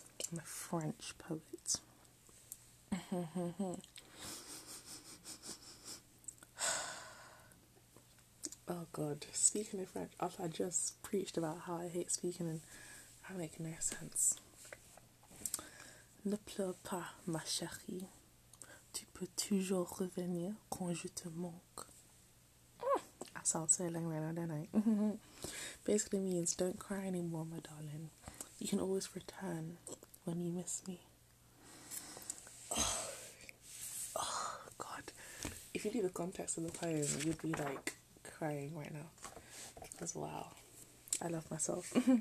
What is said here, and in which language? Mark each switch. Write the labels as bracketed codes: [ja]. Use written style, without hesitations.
[en] I'm a French poet. Oh god, speaking in French, after I just preached about how I hate speaking and I make no sense. [fr] Ne pleure pas, ma chérie. Tu peux toujours revenir quand je te manque. [en] I sound so long right now, don't I? Basically means, don't cry anymore, my darling. You can always return when you miss me. Oh god, if you knew the context of the poem, you'd be like crying right now as well. I love myself.